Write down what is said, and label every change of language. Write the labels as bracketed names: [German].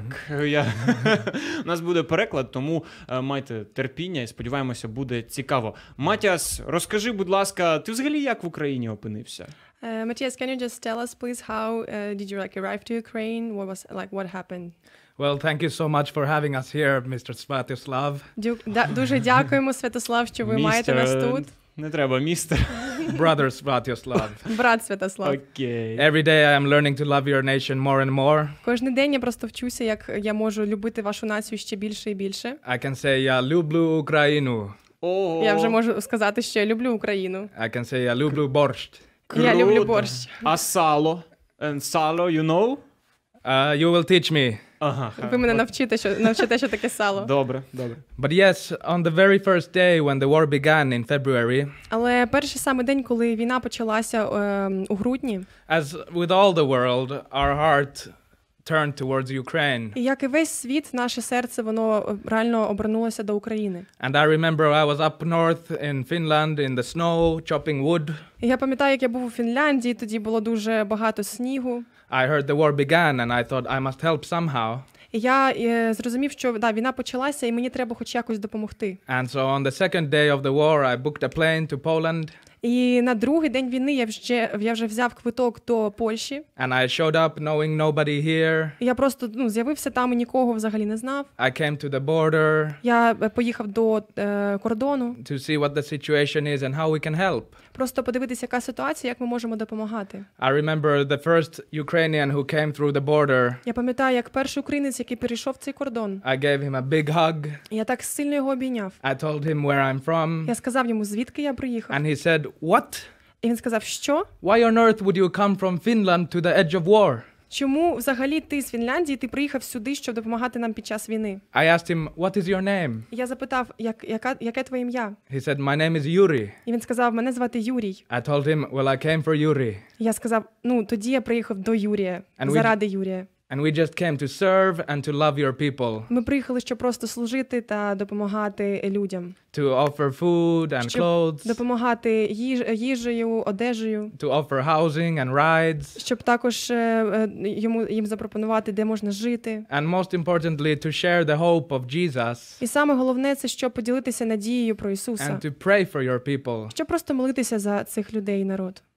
[Ukrainian] У нас буде переклад, тому майте терпіння і сподіваємося, буде цікаво. Матіас, розкажи, будь ласка, ти взагалі як в Україні опинився? [English] Матіас, can you just tell us please how did you like arrive to Ukraine? What was like what happened? Well, thank you so much for having us here, Mr. Svatoslav. [Ukrainian] Дуже дякуємо, Святослав, що ви маєте нас тут. Не треба, містер. [English] Brother Svatoslav. [Ukrainian] Брат Святослав. [English] Okay. Every day I am learning to love your nation more and more. [Ukrainian] Кожний день я просто вчуся, як я можу любити вашу націю ще більше і більше. [English] I can say [Ukrainian] я люблю Україну. Oh. Я вже можу сказати, що я люблю Україну. [English] I can say [Ukrainian] я люблю борщ. Круто. Я люблю борщ. А сало? [English] And сало, you know? You will teach me. [Ukrainian] Ви мене навчите, що таке сало. Добре, добре. [English] But yes, on the very first day when the war began in February. [Ukrainian] Але перший самий день, коли війна почалася у грудні. [English] As with all the world, our heart turned towards Ukraine. [Ukrainian] І як і весь світ, наше серце, воно реально обернулося до України. [English] And I remember I was up north in Finland in the snow chopping wood. [Ukrainian] І я пам'ятаю, як я був у Фінляндії, тоді було дуже багато снігу. [English] I heard the war began and I thought I must help somehow. [Ukrainian] Я зрозумів, що да, війна почалася і мені треба хоч якось допомогти. [English] And so on the second day of the war I booked a plane to Poland. [Ukrainian] І на другий день війни я вже взяв квиток до Польщі. [English] And I showed up knowing nobody here. [Ukrainian] Я просто, ну, з'явився там і нікого взагалі не знав. [English] I came to the border. [Ukrainian] Я поїхав до кордону. [English] To see what the situation is and how we can help. [Ukrainian] Просто подивитися, яка ситуація, як ми можемо допомагати. [English] I remember the first Ukrainian who came through the border. [Ukrainian] Я пам'ятаю, як перший українець, який перейшов цей кордон. [English] I gave him a big hug. [Ukrainian] Я так сильно його обійняв. [English] I told him where I'm from. [Ukrainian] Я сказав йому, звідки я приїхав. [English] And he said, "What?" [Ukrainian] І він сказав, що? [English] Why on earth would you come from Finland to the edge of war? [Ukrainian] Чому взагалі ти з Фінляндії, ти приїхав сюди, щоб допомагати нам під час війни? [English] I asked him, "What is your name?" [Ukrainian] Я запитав, яке твоє ім'я? [English] He said, "My name is Yuri." [Ukrainian] І він сказав, мене звати Юрій. [English] I told him, "Well, I came for Yuri." [Ukrainian] Я сказав, ну, тоді я приїхав до Юрія, заради Юрія. [English] And we just came to serve and to love your people. [Ukrainian] Ми приїхали, щоб просто служити та допомагати людям. [English] To offer food and clothes. [Ukrainian] Щоб допомагати їжею, одежею. [English] To offer housing and rides. [Ukrainian] Щоб також їм запропонувати, де можна жити. [English] And most importantly, to share the hope of Jesus. [Ukrainian] І саме головне це щоб поділитися надією про Ісуса. [English] And to pray for your people. [Ukrainian] Щоб просто молитися за цих людей і народ.